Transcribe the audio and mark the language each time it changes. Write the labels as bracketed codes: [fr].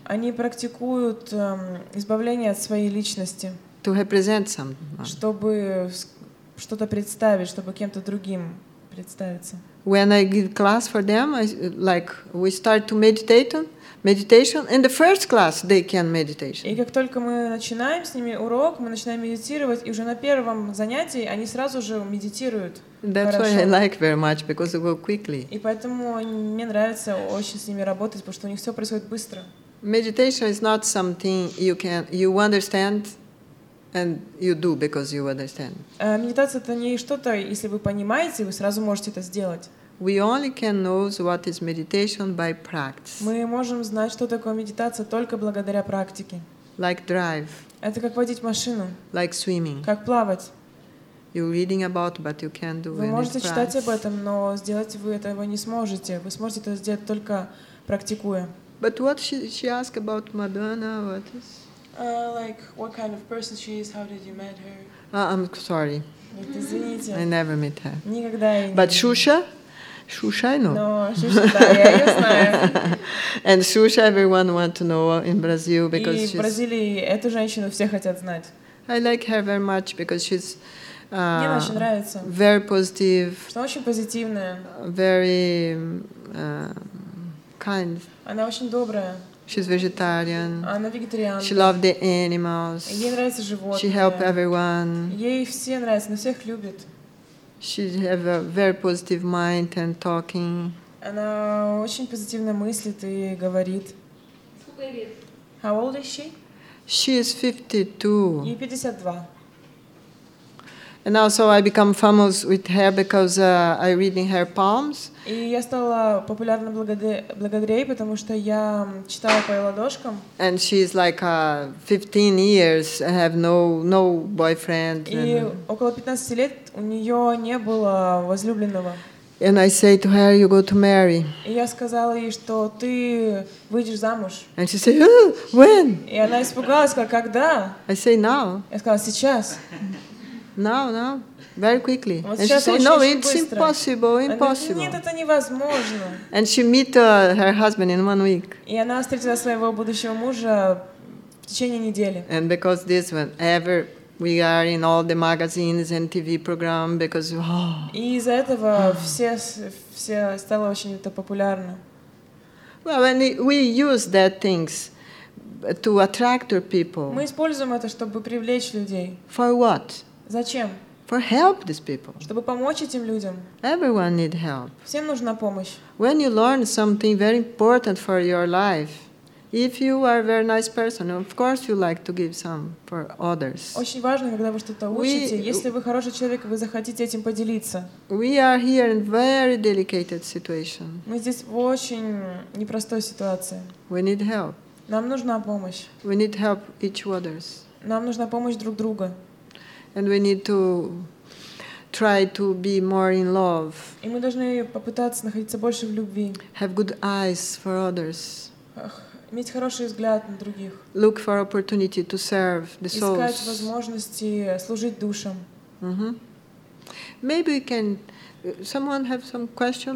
[ru] Они практикуют избавление от своей личности. [en] To represent someone. [ru] Чтобы что-то представить, чтобы кем-то другим представиться. [en] When I give class for them, we start to meditate. Meditation in the first class they can meditate. [ru] И как только мы начинаем с ними урок, мы начинаем медитировать, и уже на первом занятии они сразу же медитируют. [en] That's [ru] хорошо. [en] Why I like very much because they go quickly. [ru] И поэтому мне нравится очень с ними работать, потому что у них все происходит быстро. [en] Meditation is not something you understand and you do because you understand. [ru] Медитация это не что-то, если вы понимаете, вы сразу можете это сделать. [en] We only can know what is meditation by practice. [ru] Мы можем знать, что такое медитация только благодаря практике. [en] Like drive. [ru] Это как водить машину. [en] Like swimming. [ru] Как плавать. [en] You're reading about, but you can't do it. [ru] Вы можете читать об этом, но сделать вы этого не сможете. Вы сможете это сделать только практикуя. [en] But what she asked about Madonna, what is? What kind of person she is? How did you meet her? I'm sorry. [ru] Извините. [en] I never met her. [ru] Никогда. [en] But Xuxa? Xuxa, I know. No, Xuxa, yeah, and Xuxa, everyone wants to know in Brazil because she's... [ru] И в Бразилии эту женщину все хотят знать. [en] I like her very much because she's... [ru] Мне очень нравится. [en] Very positive. [ru] Что она очень позитивная. [en] Very kind. [ru] Она очень добрая. [en] She's vegetarian. [ru] Она вегетарианка. [en] She loves the animals. [ru] Ей нравятся животные. [en] She helps everyone. [ru] Ей все нравятся, она всех любит. [en] She have a very positive mind and talking. [ru] Она очень позитивно мыслит и говорит. Сколько лет? [en] How old is she? She is 52. [ru] Ей 52. [en] And also I become famous with her because I read in her palms. [ru] И я стала популярна благодаря ей, потому что я читала по ее ладошкам. [en] And she is 15 years, have no boyfriend. [ru] И около 15 лет у нее не было возлюбленного. [en] And I say to her, you go to marry. [ru] И я сказала ей, что ты выйдешь замуж. [en] And she said, when? [ru] И она испугалась, сказала, когда? [en] I say now. [ru] Я сказала, сейчас. [en] Now, very quickly. [ru] Вот [en] and she said, [ru] очень, [en] no, [ru] очень [en] it's impossible. [ru] Она, нет, это невозможно. [en] And she met her husband in 1 week. [ru] И она встретила своего будущего мужа в течение недели. [en] And because this whenever we are in all the magazines and TV program because [ru] И из-за этого все стало очень это популярно. [en] Well, and we use that things to attract people. [ru] Мы используем это, чтобы привлечь людей. [en] For what? [ru] Зачем? [en] For help these people. [ru] Чтобы помочь этим людям. [en] Everyone need help. [ru] Всем нужна помощь. [en] When you learn something very important for your life, if you are a very nice person, of course you like to give some for others. [ru] Очень важно, когда вы что-то учите, если вы хороший человек, вы захотите этим поделиться. [en] We are here in very delicated situation. [ru] Мы здесь в очень непростой ситуации. [en] We need help. [ru] Нам нужна помощь. [en] We need help each others. [ru] Нам нужна помощь друг друга. [en] And we need to try to be more in love. [ru] И мы должны попытаться находиться больше в любви. [en] Have good eyes for others. [ru] Иметь хороший взгляд на других. [en] Look for opportunity to serve the souls. [ru] Искать возможности служить душам. [en] Maybe we can. Someone have some question?